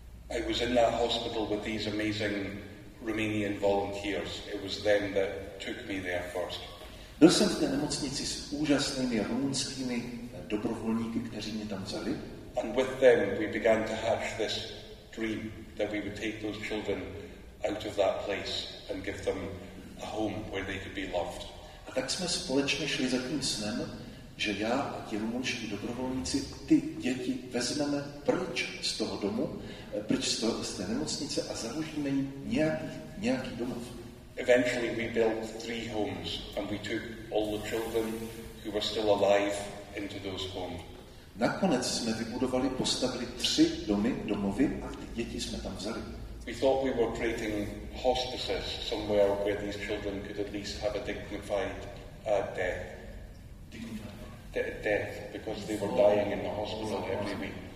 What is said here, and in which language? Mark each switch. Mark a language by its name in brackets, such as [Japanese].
[English] I was in that hospital with these amazing Romanian volunteers. It was them that took me there first. [Czech] Byl jsem v té nemocnici s úžasnými rumunskými dobrovolníky, kteří mě tam vzali. [English] And with them we began to hatch this dream that we would take those children out of that place and give them a home where they could be loved. [Czech] A tak jsme společně šli za tím snem, že já a ti rumunští dobrovolníci ty děti vezmeme pryč z toho domu, pryč z té nemocnice a založíme jim nějaký domov. [English] Eventually we built three homes and we took all the children who were still alive into those homes. [Czech] Nakonec jsme vybudovali, postavili tři domy, domovy a ty děti jsme tam vzali. [English] We thought we were creating hospices somewhere where these children could at least have a dignified death. Dignified death because they were dying in the hospital every week.